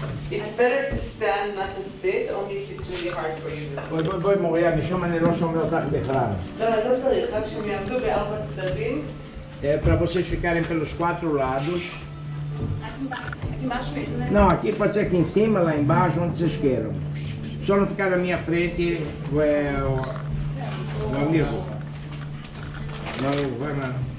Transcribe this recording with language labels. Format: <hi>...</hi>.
<en>It's better to stand, not to sit, only if it's really hard for you.</en> <he>Boy, boy, boy, Moria, משום אני לא שומע אותך בכלל. לא, לא צריך, רק שהם יעמדו בארבע צדדים.</he> <pt>É para vocês ficarem pelos quatro lados. Aqui embaixo mesmo, né? Não, aqui pode ser aqui em cima, lá embaixo, onde vocês queiram. Só não ficar na minha frente, meu amigo. Não, vai lá.</pt>